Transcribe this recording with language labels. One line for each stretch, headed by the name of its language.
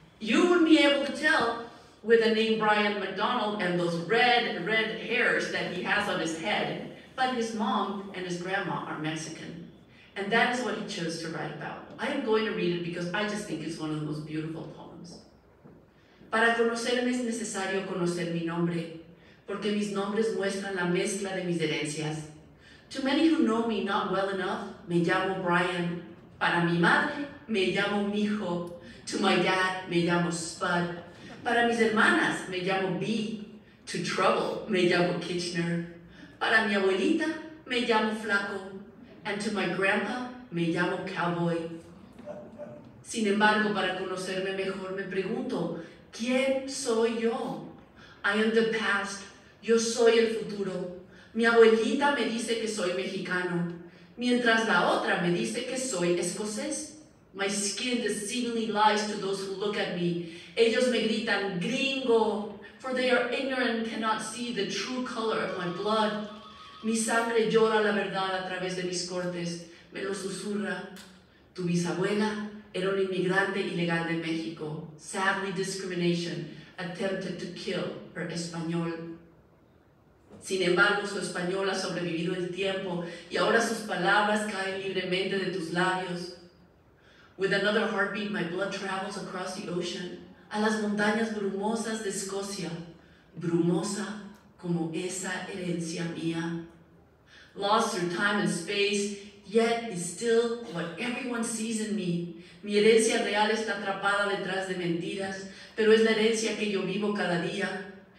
English: You wouldn't be able to tell with a name Brian McDonald and those red, red hairs that he has on his head, but his mom and his grandma are Mexican. And that is what he chose to write about. I am going to read it because I just think it's one of the most beautiful poems.
Spanish: Para conocerme es necesario conocer mi nombre, porque mis nombres muestran la mezcla de mis herencias.
English: To many who know me not well enough,
Spanish: me llamo Brian. Para mi madre, me llamo mijo.
English: To my dad,
Spanish: me llamo Spud. Para mis hermanas, me llamo B.
English: To trouble,
Spanish: me llamo Kitchener. Para mi abuelita, me llamo Flaco.
English: And to my grandpa,
Spanish: me llamo Cowboy. Sin embargo, para conocerme mejor, me pregunto, ¿quién soy yo?
English: I am the past.
Spanish: Yo soy el futuro. Mi abuelita me dice que soy mexicano, mientras la otra me dice que soy escocés.
English: My skin deceivingly lies to those who look at me.
Spanish: Ellos me gritan,
English: gringo, for they are ignorant and cannot see the true color of my blood.
Spanish: Mi sangre llora la verdad a través de mis cortes. Me lo susurra. Tu bisabuela era un inmigrante ilegal de México.
English: Sadly, discrimination attempted to kill her español.
Spanish: Sin embargo, su español ha sobrevivido el tiempo y ahora sus palabras caen libremente de tus labios.
English: With another heartbeat, my blood travels across the ocean,
Spanish: a las montañas brumosas de Escocia, brumosa como esa herencia mía.
English: Lost through time and space, yet is still what everyone sees in me.
Spanish: Mi herencia real está atrapada detrás de mentiras, pero es la herencia que yo vivo cada día.